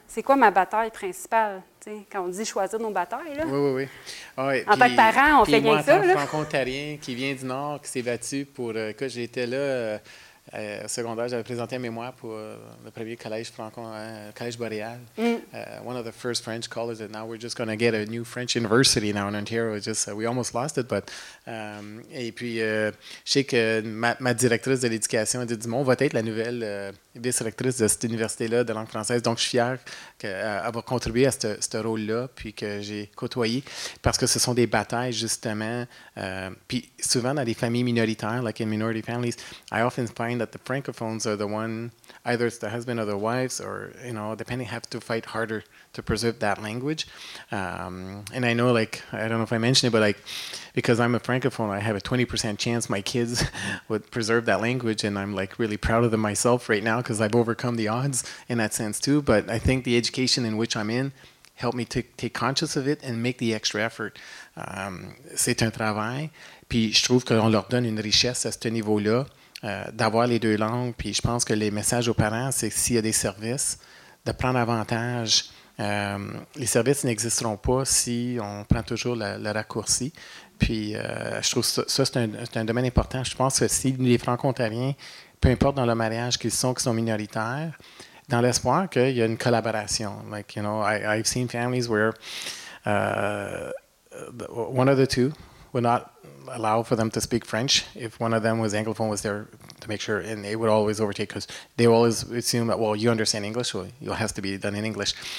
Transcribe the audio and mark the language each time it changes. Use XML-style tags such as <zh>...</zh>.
<fr>C'est quoi ma bataille principale? T'sais, quand on dit choisir nos batailles, là. Oui. En tant que parent, on fait rien que ça. Moi, en tant qu'Ontarien qui vient du Nord, qui s'est battu pour... Quand j'étais là, au secondaire, j'avais présenté un mémoire pour le premier collège collège boréal. Mm.</fr> <en>One of the first French colleges, and now we're just going to get a new French university now in Ontario. We almost lost it, but...</en> <fr>et puis, je sais que ma directrice de l'éducation, elle dit, Dumont, va être la nouvelle... vice-rectrice de cette université-là de langue française. Donc, je suis fier d'avoir contribué à ce rôle-là, puis que j'ai côtoyé, parce que ce sont des batailles, justement. Puis souvent, dans les familles minoritaires,</fr> <en>like in minority families, I often find that the francophones are the one, either it's the husband or the wives, or, you know, depending, have to fight harder to preserve that language. And I know, like, I don't know if I mentioned it, but, like, because I'm a francophone, I have a 20% chance my kids would preserve that language, and I'm, like, really proud of them myself right now because I've overcome the odds in that sense, too. But I think the education in which I'm in helped me to take conscious of it and make the extra effort.</en> <fr>C'est un travail. Puis je trouve qu'on leur donne une richesse à ce niveau-là, d'avoir les deux langues. Puis je pense que les messages aux parents, c'est s'il y a des services, de prendre avantage. Les services n'existeront pas si on prend toujours le raccourci. Puis je trouve ça c'est un domaine important. Je pense que si les Franco-Ontariens, peu importe dans le mariage qu'ils sont minoritaires, dans l'espoir qu'il y a une collaboration.</fr> <en>Like, you know, I've seen families where one of the two would not allow for them to speak French if one of them was Anglophone was there to make sure, and they would always overtake because they always assume that, well, you understand English, so it has to be done in English.</en>